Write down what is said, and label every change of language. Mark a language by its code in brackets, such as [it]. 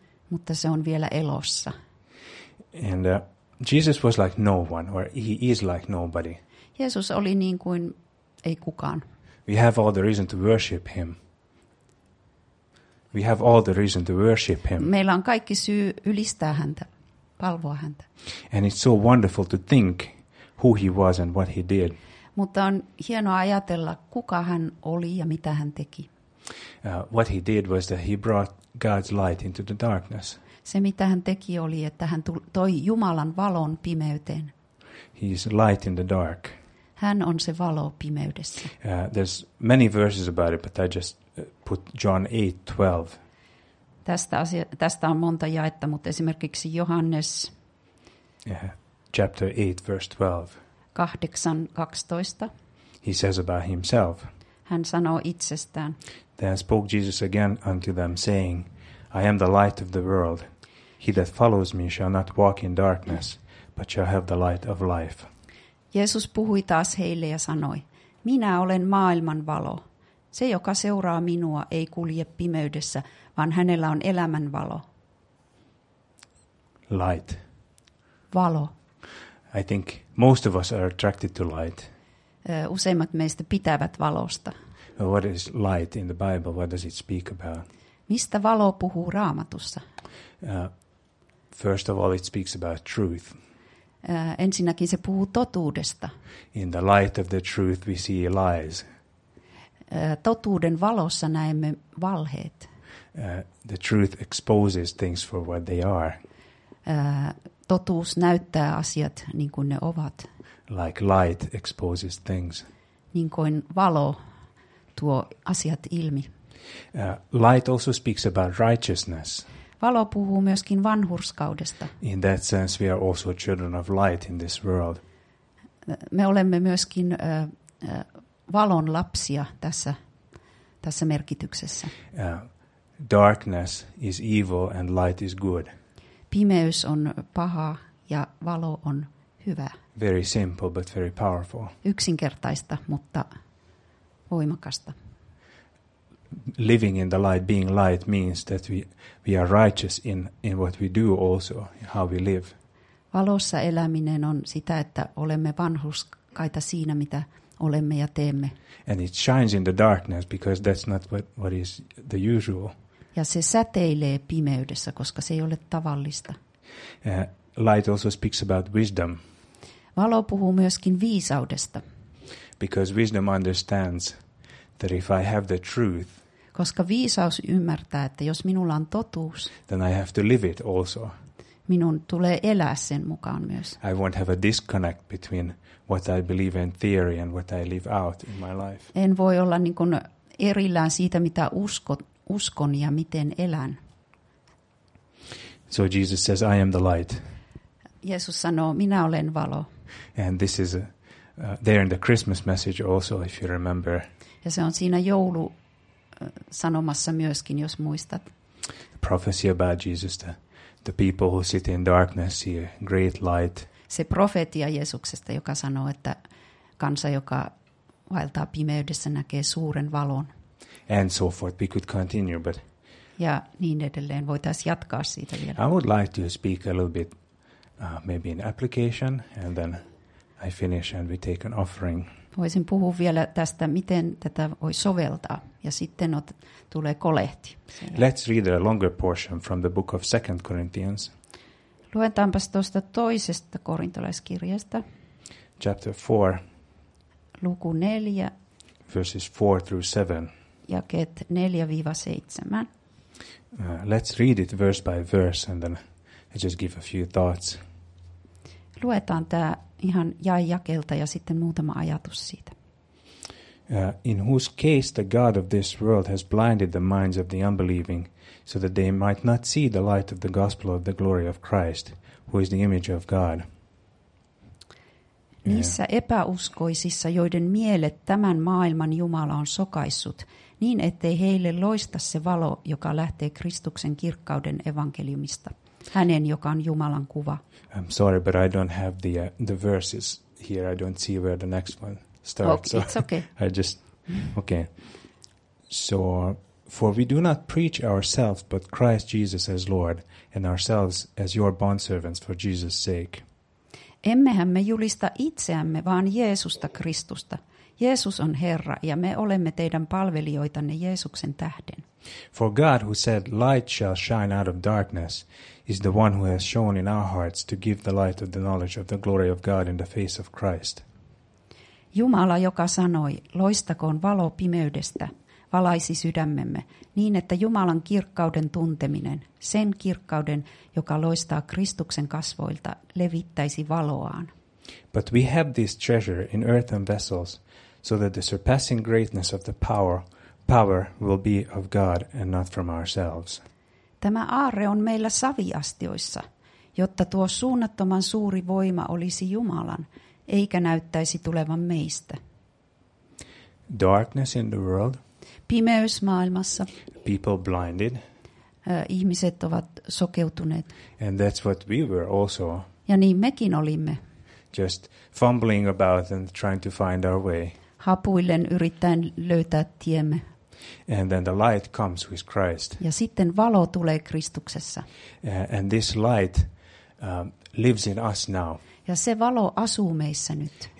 [fi] Mutta se on vielä elossa. [en] And Jesus was like no one, or he is like nobody. [fi] Jeesus oli niin kuin ei kukaan. [en] We have all the reason to worship him. We have all the reason to worship him. [fi] Meillä on kaikki syy ylistää häntä, palvoa häntä. [en] And it's so wonderful to think who he was and what he did. [fi] Mutta on hienoa ajatella, kuka hän oli ja mitä hän teki. [en] What he did was that he brought God's light into the darkness. [fi] Se mitä hän teki oli, että hän toi Jumalan valon pimeyteen. [en] He is light in the dark. [fi] Hän on se valo pimeydessä. [en] There's many verses about it, but I just put John 8:12. [fi] Tästä on monta jaetta, mutta esimerkiksi Johannes. [en] Chapter 8, verse 12. [fi] 8:12. [en] He says about himself. [fi] Hän sanoo itsestään. [en] Then spoke Jesus again unto them, saying, I am the light of the world. He that follows me shall not walk in darkness, but shall have the light of life. [fi] Jeesus puhui taas heille ja sanoi, minä olen maailman valo. Se, joka seuraa minua, ei kulje pimeydessä, vaan hänellä on elämän valo. [en] Light. [fi] Valo. [en] I think most of us are attracted to light. [fi] Useimmat meistä pitävät valosta. [en] Well, what is light in the Bible? What does it speak about? [fi] Mistä valo puhuu Raamatussa? [en] First of all, it speaks about truth. [fi] Ensinnäkin se puhuu totuudesta. [en] In the light of the truth we see lies. [fi] Totuuden valossa näemme valheet. [en] The truth exposes things for what they are. [fi] Totuus näyttää asiat niin kuin ne ovat. [en] Like light exposes things. [fi] Niin kuin valo tuo asiat ilmi. [en] Light also speaks about righteousness. [fi] Valo puhuu myöskin vanhurskaudesta. [en] In that sense we are also children of light in this world. [fi] Me olemme myöskin valon lapsia tässä merkityksessä. [en] Darkness is evil and light is good. [fi] Pimeys on paha ja valo on hyvä. [en] Very simple but very powerful. [fi] Yksinkertaista, mutta voimakasta. [en] Living in the light, being light means that we are righteous in what we do also, how we live. [fi] Valossa eläminen on sitä, että olemme vanhurskaita siinä, mitä olemme ja teemme. [en] And it shines in the darkness because that's not what is the usual. [fi] Ja se säteilee pimeydessä, koska se ei ole tavallista. [en] Light also speaks about wisdom. [fi] Valo puhuu myöskin viisaudesta. [en] Because wisdom understands that if I have the truth, [fi] koska viisaus ymmärtää, että jos minulla on totuus, [en] then I have to live it also. [fi] minun tulee elää sen mukaan myös. [en] I won't have a disconnect between what I believe in theory and what I live out in my life. [fi] En voi olla niin kuin erillään siitä, mitä uskon ja miten elän. [en] So Jesus says, I am the light. [fi] Jeesus sanoo, minä olen valo. [en] And this is there in the Christmas message also, if you remember. [fi] Ja se on siinä joulusanomassa myöskin, jos muistat. [en] The prophecy about Jesus, the people who sit in darkness see a great light. [fi] Se profetia Jeesuksesta, joka sanoo, että kansa, joka vaeltaa pimeydessä, näkee suuren valon. [en] And so forth. We could continue, but... [fi] Ja niin edelleen. Voitaisiin jatkaa siitä vielä. [en] I would like to speak a little bit, maybe in application, and then I finish and we take an offering. [fi] Voisin puhua vielä tästä, miten tätä voi soveltaa. Ja sitten tulee kolehti. [en] Let's read a longer portion from the book of 2 Corinthians. [fi] Luetaanpas tuosta toisesta korintolaiskirjasta. [en] Chapter 4. [fi] Luku 4. [en] Verses 4 through 7. [fi] Jakeet 4-7. [en] Let's read it verse by verse and then I just give a few thoughts. [fi] Luetaan tämä ihan jae jakelta ja sitten muutama ajatus siitä. [en] In whose case the God of this world has blinded the minds of the unbelieving, so that they might not see the light of the gospel of the glory of Christ, who is the image of God. [fi] Niissä epäuskoisissa, joiden mielet tämän maailman Jumala on sokaissut, niin ettei heille loista se valo, joka lähtee Kristuksen kirkkauden evankeliumista. Hänen, joka on Jumalan kuva. [en] I'm sorry, but I don't have the verses here. I don't see where the next one starts. Okay, it's okay. Okay. So, for we do not preach ourselves, but Christ Jesus as Lord, and ourselves as your bondservants for Jesus' sake. [fi] Emmehän me julista itseämme, vaan Jeesusta Kristusta. Jeesus on Herra, ja me olemme teidän palvelijoitanne Jeesuksen tähden. [en] For God, who said, light shall shine out of darkness, is the one who has shown in our hearts to give the light of the knowledge of the glory of God in the face of Christ. [fi] Jumala, joka sanoi, loistakoon valo pimeydestä, valaisi sydämemme, niin että Jumalan kirkkauden tunteminen, sen kirkkauden, joka loistaa Kristuksen kasvoilta, levittäisi valoaan. [en] But we have this treasure in earthen vessels, so that the surpassing greatness of the power will be of God and not from ourselves. [fi] Tämä aarre on meillä saviastioissa, jotta tuo suunnattoman suuri voima olisi Jumalan, eikä näyttäisi tulevan meistä. [en] Darkness in the world. [fi] Pimeys maailmassa. [en] People blinded. [fi] Ihmiset ovat sokeutuneet. [en] And that's what we were also. [fi] Ja niin mekin olimme. [en] Just fumbling about and trying to find our way. [fi] Hapuillen yrittäen löytää tiemme. [en] And then the light comes with Christ. [fi] Ja sitten valo tulee Kristuksessa. [en] And this light lives in us now. [fi] Ja se valo asuu meissä nyt.